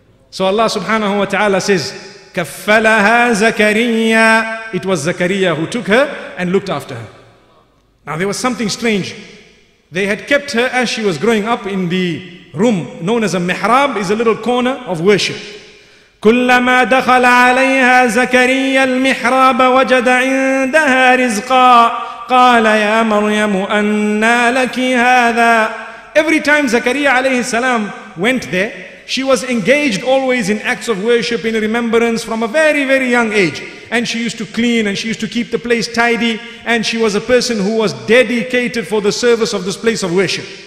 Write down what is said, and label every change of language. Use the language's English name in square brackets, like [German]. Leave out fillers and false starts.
[English] So Allah subhanahu wa ta'ala says, [Arabic] كَفَّلَهَا زَكَرِيَّا. [English] It was Zakariyyah who took her and looked after her. Now there was something strange. They had kept her as she was growing up in the room known as a mihrab, is a little corner of worship. [Arabic] كلما دخل عليها زكريا المحراب وجد عندها رزقا قال يا مريم أنى لك هذا. [English] Every time Zakariyyah alayhi salam went there, she was engaged always in acts of worship, in remembrance from a very, very young age. And she used to clean, and she used to keep the place tidy, and she was a person who was dedicated for the service of this place of worship.